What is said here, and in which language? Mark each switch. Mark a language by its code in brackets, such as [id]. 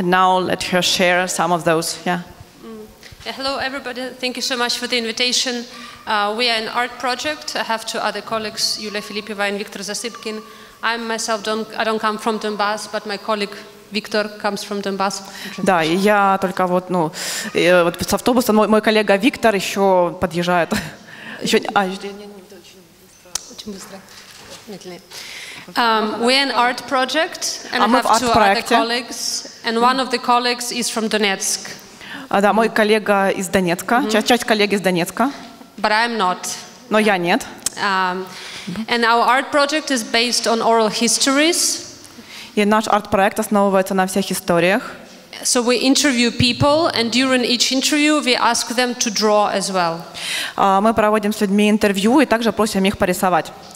[en] And now let her share some of those. Hello everybody, thank you so much for the invitation. We are an art project. I have two other colleagues, Yulia Filipova and Viktor Zasypkin. I don't come from Donbass, but my colleague Виктор comes from Donbass. [uk] Да, і я тільки от, ну, от з автобуса мой колега Виктор ще під'їжджає. Ще [en] We are an art project and I have two other colleagues and one of the colleagues is from Donetsk. [uk] Да, мой колега із Донецька. Часть колег із Донецька. [en] But I'm not. [ru] Но я нет. [en] And our art project is based on oral histories. [uk] І наш арт-проект основується на всіх історіях. [en] So we interview people and during each interview we ask them to draw as well. [uk] Ми проводимо з людьми інтерв'ю і також просимо їх порисувати.